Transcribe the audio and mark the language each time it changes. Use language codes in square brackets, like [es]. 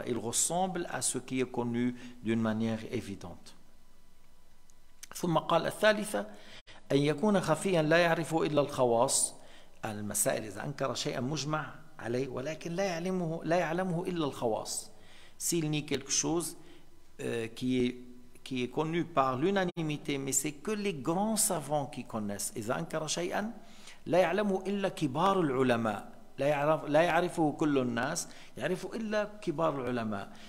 [fr] الغصامble à ce qui est connu d'une manière évidente. [ar] ثم قال الثالثة أن يكون خفيا لا يعرفه إلا الخواص. المسائل إذا أنكر شيئا مجمع عليه ولكن لا يعلمه إلا الخواص. [fr] S'il nie quelque chose qui est connu par l'unanimité, mais c'est que les grands savants qui connaissent. [ar] إذا أنكر شيئا لا يعلمه إلا كبار العلماء. لا يعرفه كل الناس, يعرفه إلا كبار العلماء.